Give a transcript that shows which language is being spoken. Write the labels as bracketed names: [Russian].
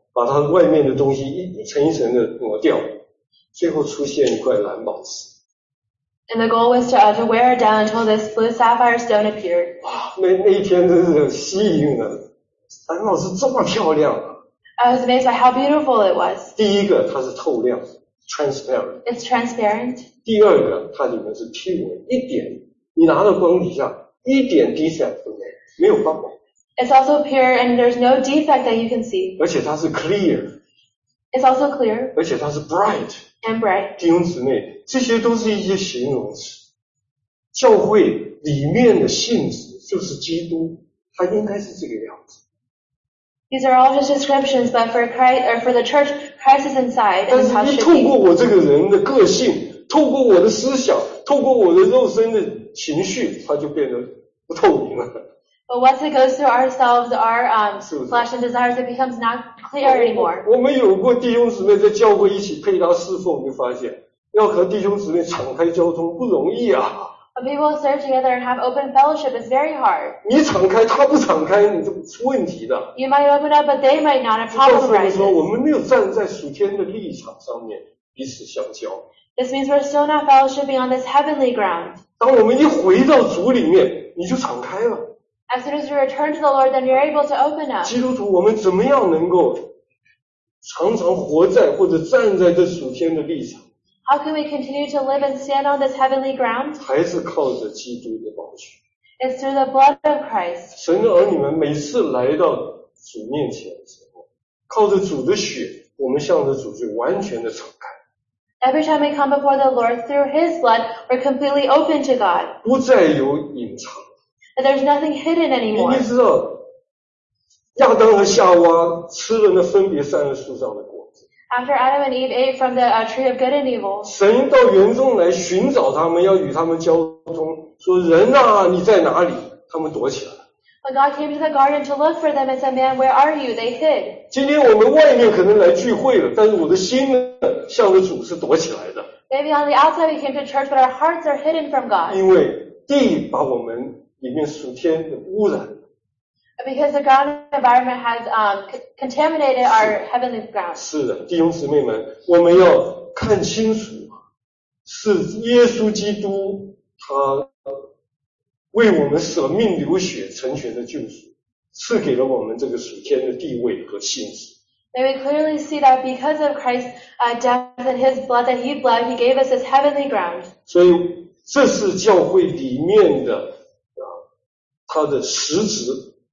[Chinese] 把它外面的东西一层一层的磨掉，最后出现一块蓝宝石。 [English] And the goal was to wear it down until this blue sapphire stone appeared. [Chinese] 哇，那一天真是吸引了，蓝宝石这么漂亮啊。 [English] I was amazed by how beautiful it was. [Chinese] 第一个，它是透亮 ，transparent. [English] It's transparent. [Chinese] 第二个，它里面是 pure， 一点，你拿到光底下一点 defect 都没有，没有斑驳。 [English] It's also pure and there's no defect that you can see. [Chinese] 而且它是 clear. [English] It's also clear. [Chinese] 而且它是 bright. [English] And bright. [Chinese] 弟兄姊妹，这些都是一些形容词。教会里面的信子就是基督，它应该是这个样子。 [English] These are all just descriptions, but for Christ, or for the church, Christ is inside. [Chinese] 但是你透过我这个人的个性，透过我的思想，透过我的肉身的情绪，它就变得不透明了。 [English] But once it goes through ourselves, our flesh and desires, it becomes not clear anymore. [Chinese] 我们有过弟兄姊妹在教会一起配搭侍奉，就发现要和弟兄姊妹敞开交通不容易啊。 [English] When people serve together and have open fellowship, it's very hard. [Chinese] 你敞开，他不敞开，你就出问题的。 [English] You might open up, but they might not. A problem arises. [Chinese] 告诉我们说，我们没有站在属天的立场上面彼此相交。 [English] This means we're still not fellowshipping on this heavenly ground. [Chinese] 当我们一回到主里面，你就敞开了。 [English] As soon as you return to the Lord, then you're able to open up. [Chinese] 基督徒，我们怎么样能够常常活在或者站在这属天的立场？ [English] How can we continue to live and stand on this heavenly ground? [Chinese] 还是靠着基督的宝血。 [English] It's through the blood of Christ. [Chinese] 神的儿女们每次来到主面前的时候，靠着主的血，我们向着主就完全的敞开。 [English] Every time we come before the Lord through His blood, we're completely open to God. [Chinese] 不再有隐藏。 [English] But there's nothing hidden anymore. [Chinese] 你知道亚当和夏娃吃了那分别善恶树上的果子。 [English] After Adam and Eve ate from the tree of good and evil. [Chinese] 神到园中来寻找他们，要与他们交通，说人啊，你在哪里？他们躲起来。 [English] When God came to the garden to look for them and said, "Man, where are you?" They hid. [Chinese] 今天我们外面可能来聚会了，但是我的心呢，向着主是躲起来的。 [English] Maybe on the outside we came to church, but our hearts are hidden from God. [Chinese] 因为地把我们里面属天的污染。 [English] Because the ground environment has contaminated our heavenly ground. [Chinese] 是的，弟兄姊妹们，我们要看清楚，是耶稣基督他为我们舍命流血成全的救赎，赐给了我们这个属天的地位和信心。 [English] May we clearly see that because of Christ's death and His blood that He bled, He gave us this heavenly ground. [Chinese] 所以这是教会里面的它的实质。